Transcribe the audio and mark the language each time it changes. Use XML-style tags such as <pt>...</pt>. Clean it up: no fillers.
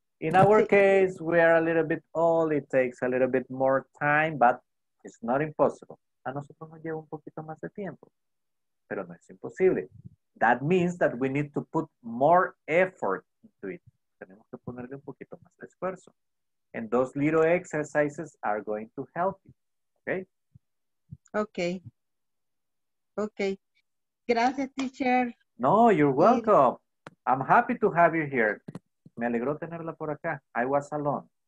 <en>In our case, we are a little bit old. It takes a little bit more time, but it's not impossible.</en> <es>A nosotros nos lleva un poquito más de tiempo, pero no es imposible.</es> <en>That means that we need to put more effort into it.</en> <es>Tenemos que ponerle un poquito más de esfuerzo.</es> <en>And those little exercises are going to help you, okay? Okay.</en> <es>Gracias,</es> <en>teacher. No, you're welcome. I'm happy to have you here.</en> <es>Me alegró tenerla por acá.</es> <en>I was alone.</en>